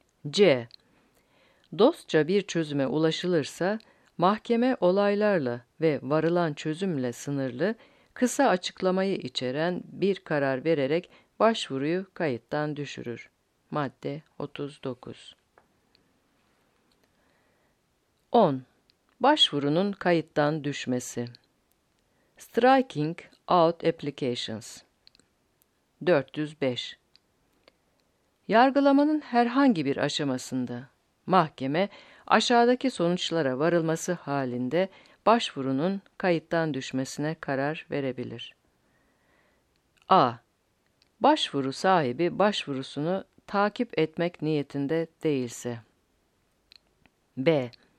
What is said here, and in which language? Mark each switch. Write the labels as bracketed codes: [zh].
[tr] C. Dostça bir çözüme ulaşılırsa mahkeme olaylarla ve varılan çözümle sınırlı kısa açıklamayı içeren bir karar vererek başvuruyu kayıttan düşürür. Madde 39. 10. Başvurunun kayıttan düşmesi. [en] Striking out applications. [tr] 405. Yargılamanın herhangi bir aşamasında mahkeme aşağıdaki sonuçlara varılması halinde başvurunun kayıttan düşmesine karar verebilir. A. Başvuru sahibi başvurusunu takip etmek niyetinde değilse. B.